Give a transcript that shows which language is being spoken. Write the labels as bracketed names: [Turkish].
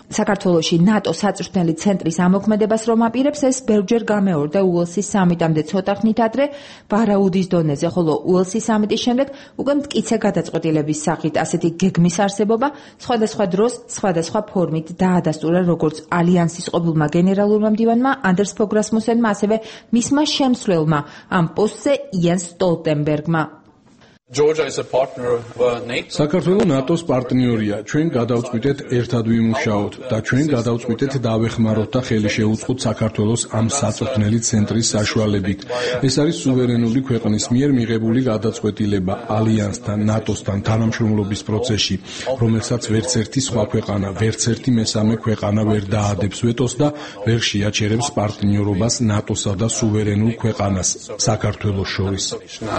[Georgian] საქართველოში ნატო საწვრთნელი ცენტრის ამოქმედებას რომ აპირებს, ეს ბევრჯერ გამეორდა უელსის სამიტამდე ცოტა ხნით ადრე ბარაუდის დონეზე, ხოლო უელსის სამიტის შემდეგ უკვე მტკიცე გადაწყვეტილების სახით. ასეთი გეგმის არსებობა სხვადასხვა დროს სხვადასხვა ფორმით დაადასტურა როგორც ალიანსის ყოფილმა გენერალურმა მდივანმა ანდერს ფონ რასმუსენმა, ასევე მისმა შემსვლელმა ამ პოსტზე იენს სტოლტენბერგმა. [English] Georgia is a partner of NATO. [Georgian] საქართველოს ნატოს პარტნიორია. ჩვენ გადავწყვიტეთ ერთად ვიმუშაოთ და ჩვენ გადავწყვიტეთ დავეხმაროთ და ხელი შეუწყოთ საქართველოს ამ საწვრთნელი ცენტრის საშუალებით. ეს არის სუვერენული ქვეყნის მიერ მიღებული გადაწყვეტილება ალიანსთან, ნატოსთან თანამშრომლობის პროცესში, რომელსაც ვერც ერთი სხვა ქვეყანა, ვერც ერთი მესამე ქვეყანა ვერ დაადებს ვეტოს და ვერ შეაჩერებს პარტნიორობას ნატოსა და სუვერენულ ქვეყანას საქართველოს შორის.